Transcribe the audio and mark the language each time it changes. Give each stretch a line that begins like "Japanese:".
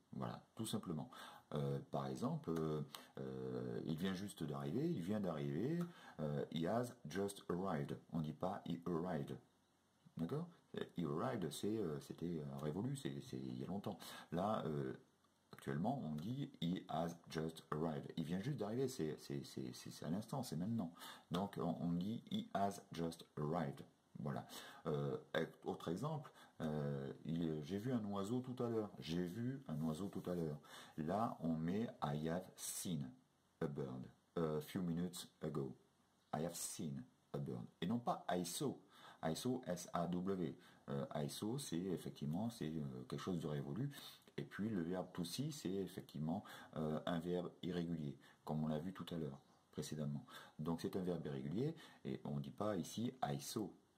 French: Voilà, tout simplement. Par exemple, il vient juste d'arriver, il vient d'arriver,
English: he has just arrived.
French: On ne dit pas
English: he arrived.
French: D'accord?
English: He arrived,
French: c'était révolu, c'est il y a longtemps. Là, actuellement, on dit
English: he has just arrived.
French: Il vient juste d'arriver, c'est à l'instant, c'est maintenant. Donc, on dit
English: he has just arrived.
French: Voilà. Autre exemple, j'ai vu un oiseau tout à l'heure. J'ai vu un oiseau tout à l'heure. Là, on met
English: I have seen a bird a few minutes ago. I have seen a bird.
French: Et non pas
English: I saw. I saw, SAW. I saw,
French: c'est effectivement quelque chose de révolu. Et puis le verbe to see, c'est effectivement un verbe irrégulier, comme on l'a vu tout à l'heure, précédemment. Donc c'est un verbe irrégulier et on ne dit pas ici
English: I saw.